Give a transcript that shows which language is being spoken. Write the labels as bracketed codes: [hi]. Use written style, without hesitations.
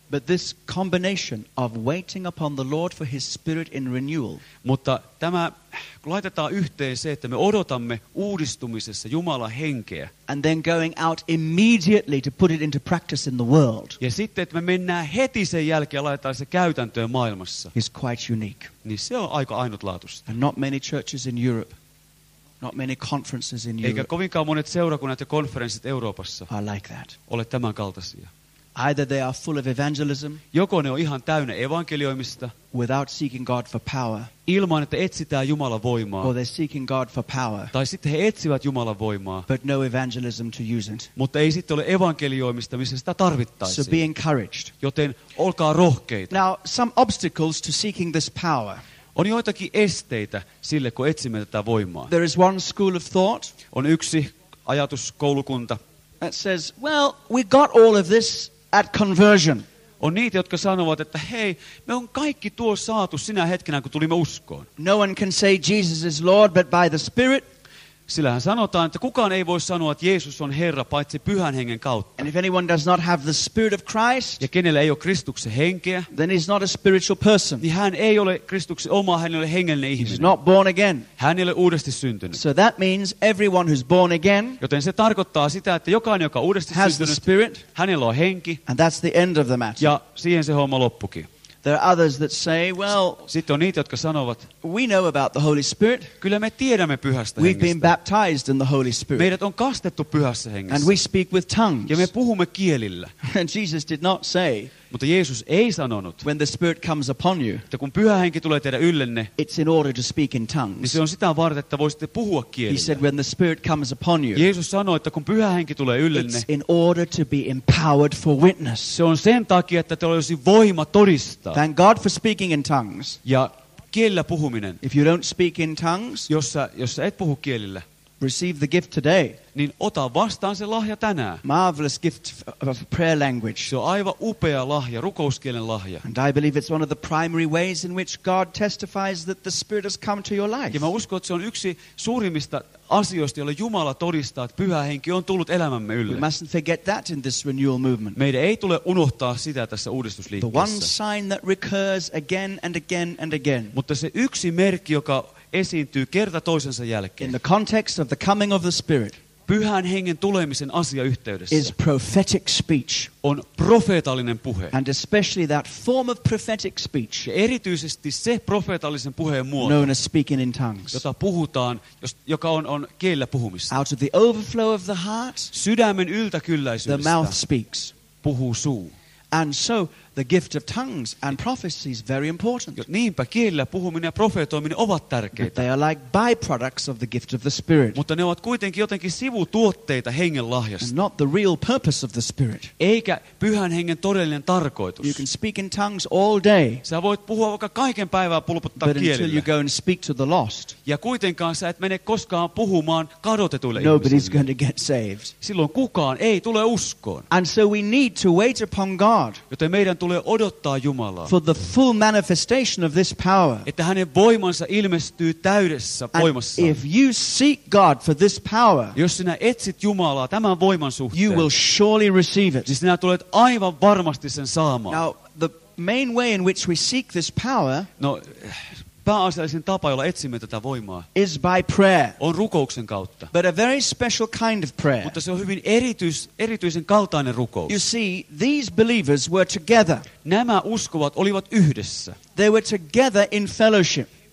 [en] But this combination of waiting upon the Lord for his spirit in renewal. [fi] Mutta tämä, kun laitetaan yhteen se, että me odotamme uudistumisessa Jumalan henkeä. [en] And then going out immediately to put it into practice in the world. [fi] Ja sitten, että me mennään heti sen jälkeen ja laitetaan se käytäntöön maailmassa. [en] Is quite unique. [fi] Niin se on aika ainutlaatuista. [en] And not many churches in Europe. Not many conferences in Europe. [fi] Eikä kovinkaan monet seurakunnat ja konferenssit Euroopassa ole tämän kaltaisia. [en] Either they are full of evangelism. [fi] Joko ne on ihan täynnä evankelioimista. [en] Without seeking God for power. [fi] Ilman että etsitään Jumalan voimaa. [en] Or they're seeking God for power. [fi] Tai sitten he etsivät Jumalan voimaa. [en] But no evangelism to use it. [fi] Mutta ei sitten ole evankelioimista, missä sitä tarvittaisiin. [en] So be encouraged. [fi] Joten olkaa rohkeita. [en] Now some obstacles to seeking this power. [fi] On joitakin esteitä sille, kun etsimme tätä voimaa. [en] There is one school of thought. [fi] On yksi ajatuskoulukunta. [en] That says, well, we got all of this at conversion. [fi] On niitä, jotka sanovat, että hei, me on kaikki tuo saatu sinä hetkenä, kun tulimme uskoon. [en] No one can say Jesus is Lord, but by the Spirit. [fi] Sillähän sanotaan, että kukaan ei voi sanoa, että Jeesus on Herra, paitsi Pyhän Hengen kautta. [en] And if anyone does not have the Spirit of Christ, [fi] ja kenellä ei ole Kristuksen henkeä, [en] then he's not a spiritual person. [fi] Niin hän ei ole Kristuksen oma, hän ei ole hengellinen ihminen. [en] He's not born again. [fi] Hän ei ole uudesti syntynyt. [en] So that means everyone who's born again, [fi] joten se tarkoittaa sitä, että jokainen, joka on uudesti [en] has [fi] syntynyt, [en] the Spirit, [fi] hänellä on henki, [en] and that's the end of the matter. [fi] Ja siihen se homma loppukin. [en] There are others that say, well, [fi] sitten on niitä, jotka sanovat, [en] we know about the Holy Spirit. [fi] Kyllä me tiedämme Pyhästä Hengestä. [en] We've been baptized in the Holy Spirit. [fi] Meidät on kastettu Pyhässä Hengessä. [en] And we speak with tongues. [fi] Ja me puhumme kielillä. [en] And Jesus did not say, [fi] mutta Jeesus ei sanonut, [en] when the Spirit comes upon you, [fi] että kun Pyhä Henki tulee teidän yllenne, [en] it's in order to speak in tongues. [fi] Niin se on sitä varten, että voisitte puhua kielillä. [en] He said, when the Spirit comes upon you, [fi] Jeesus sanoi, että kun Pyhä Henki tulee yllenne, [en] it's in order to be empowered for witness. [fi] Se on sen takia, että te olisi voima todistaa. [en] Thank God for speaking in tongues. [fi] Ja kielillä puhuminen. [en] If you don't speak in tongues, [fi] jos sä et puhu kielillä, [en] receive the gift today. [fi] Niin ota vastaan se lahja tänään. [en] Marvelous gift of prayer language. [fi] Se on aivan upea lahja, rukouskielen lahja. [en] And I believe it's one of the primary ways in which God testifies that the Spirit has come to your life. [fi] Ja mä uskon, että se on yksi suurimmista asioista, jolle Jumala todistaa, että Pyhä Henki on tullut elämämme ylle. [en] We mustn't forget that in this renewal movement. [fi] Meidän ei tule unohtaa sitä tässä uudistusliikkeessä. [en] The one sign that recurs again and again and again. [fi] Mutta se yksi merkki, joka esiintyy kerta toisensa jälkeen. [en] In the context of the coming of the Spirit. [fi] Pyhän Hengen tulemisen asiayhteydessä. [en] Is prophetic speech. [fi] On profeetallinen puhe. [en] And especially that form of prophetic speech. [fi] Ja erityisesti se profeetallisen puheen muoto. [en] Known as speaking in tongues. [fi] Jota puhutaan, joka on kielillä puhumista. [en] Out of the overflow of the heart. [fi] Sydämen yltäkylläisyydestä. [en] The mouth speaks. [fi] Puhuu suu. [en] And so the gift of tongues and prophecy is very important. [fi] Niinpä kielillä puhuminen ja profetoiminen ovat tärkeitä. [en] But they are like byproducts of the gift of the Spirit. [fi] Mutta ne ovat kuitenkin jotenkin sivutuotteita Hengen lahjasta. [en] And not the real purpose of the Spirit. [fi] Eikä Pyhän Hengen todellinen tarkoitus. [en] You can speak in tongues all day. [fi] Sä voit puhua vaikka kaiken päivää pulputtaa kielillä. [en] But until you go and speak to the lost. [fi] Ja kuitenkaan sä et mene koskaan puhumaan kadotetuille ihmisille. [en] Nobody's going to get saved. [fi] Silloin kukaan ei tule uskoon. [en] And so we need to wait upon God. [fi] Joten meidän tulee odottaa Jumalaa. [en] For the full manifestation of this power. [fi] Että hänen voimansa ilmestyy täydessä voimassa. [en] If you seek God for this power. [fi] Jos sinä etsit Jumalaa tämän voiman suhteen. [en] You will surely receive it. [fi] Niin sinä tulet aivan varmasti sen saamaan. [en] Now the main way in which we seek this power. [fi] No, pääasiallisen tapa, jolla etsimme tätä voimaa, [en] is by prayer. [fi] On rukouksen kautta. [en] But a very special kind of prayer. [fi] Mutta se on hyvin erityisen kaltainen rukous. [en] You see, these believers were together. [fi] Nämä uskovat olivat yhdessä. [en] They were together in fellowship.